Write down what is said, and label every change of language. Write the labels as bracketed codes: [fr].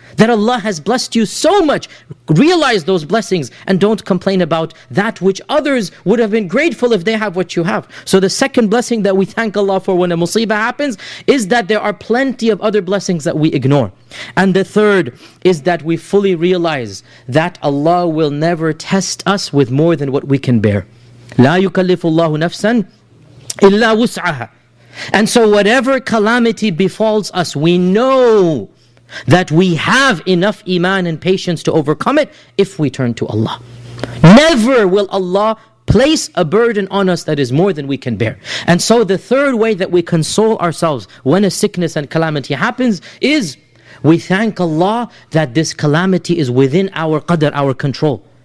[en] That Allah has blessed you so much. Realize those blessings and don't complain about that which others would have been grateful if they have what you have. So the second blessing that we thank Allah for when a musibah happens is that there are plenty of other blessings that we ignore. And the third is that we fully realize that Allah will never test us with more than what we can bear. [ar] لا يكلف الله نفسا إلا وسعها. [en] And so whatever calamity befalls us, we know that we have enough iman and patience to overcome it if we turn to Allah. Never will Allah place a burden on us that is more than we can bear. And so the third way that we console ourselves when a sickness and calamity happens is we thank Allah that this calamity is within our qadr, our control.